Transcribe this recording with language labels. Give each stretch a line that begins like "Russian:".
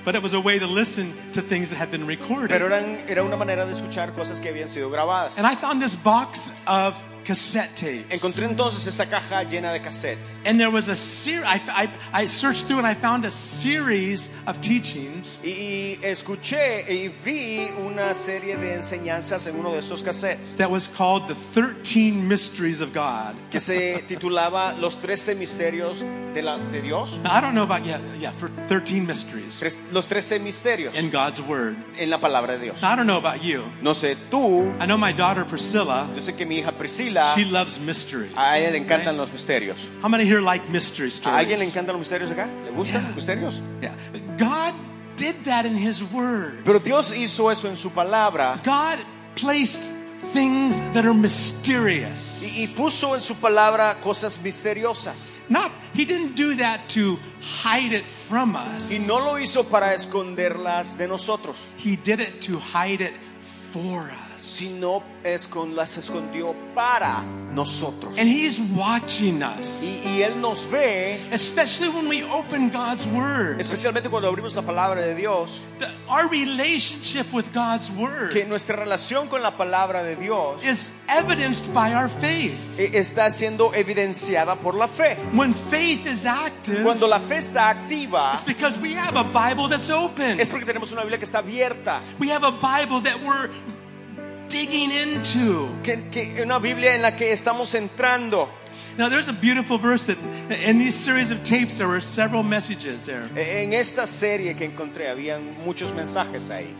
English: But it was a way to listen to things that had been recorded.
Spanish: Pero era una manera de escuchar cosas que habían sido grabadas.
English: And I found this box of cassette tapes.
Spanish: Encontré entonces esa caja llena de cassettes.
English: And there was a series. I searched through and I found a series of teachings.
Spanish: Y escuché y vi una serie de enseñanzas en uno de esos cassettes.
English: That was called the 13 Mysteries of God.
Spanish: Que se titulaba los 13 misterios de Dios.
English: Now, I don't know about for 13 mysteries.
Spanish: Los 13 misterios.
English: In God's word.
Spanish: En la palabra de Dios.
English: Now, I don't know about you.
Spanish: No sé tú.
English: I know my daughter Priscilla.
Spanish: Yo sé que mi hija Priscilla.
English: She loves mysteries.
Spanish: A ella le encantan los misterios.
English: How many here like mystery stories?
Spanish: ¿A alguien le encantan los misterios acá? ¿Le gustan los misterios?
English: Yeah. God did that in his word.
Spanish: Pero Dios hizo eso en su palabra.
English: God placed things that are mysterious.
Spanish: Y puso en su palabra cosas misteriosas.
English: Not, he didn't do that to hide it from us.
Spanish: Y no lo hizo para esconderlas de nosotros.
English: He did it to hide it for us.
Spanish: Sino las escondió para nosotros.
English: And he's watching us.
Spanish: Y él nos ve.
English: Especially when we open God's word.
Spanish: Especialmente cuando abrimos la palabra de Dios.
English: Our relationship with God's word.
Spanish: Que nuestra relación con la palabra de Dios.
English: Is evidenced by our faith.
Spanish: Está siendo evidenciada por la fe.
English: When faith is active.
Spanish: Cuando la fe está activa.
English: It's because we have a Bible that's open.
Spanish: Es porque tenemos una Biblia que está abierta.
English: We have a Bible that we're digging into.
Spanish: Que una Biblia en la que estamos entrando.
English: Now there's a beautiful verse that in these series of tapes there were several messages there.
Spanish: En esta serie que encontré habían muchos mensajes ahí.